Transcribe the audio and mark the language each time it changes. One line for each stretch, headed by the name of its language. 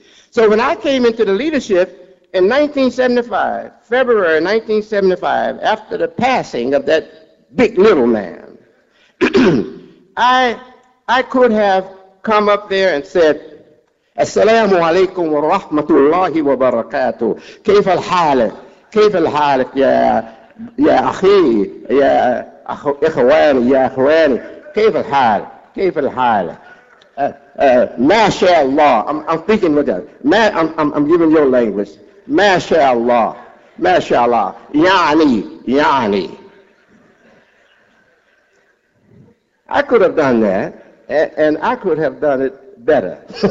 English: So when I came into the leadership in 1975, February 1975, after the passing of that big little man, I could have come up there and said,
Arabic: Assalamu alaikum wa rahmatullahi wa barakatuh. كيف الحالك؟ كيف الحالك يا أخي؟ يا إخواني يا إخواني؟ كيف الحال؟ كيف الحال؟ ما شاء الله.
English: I'm speaking with you. I'm giving your language.
Arabic: ما شاء الله. ما شاء الله. يعني.
English: I could have done that, and I could have done it better.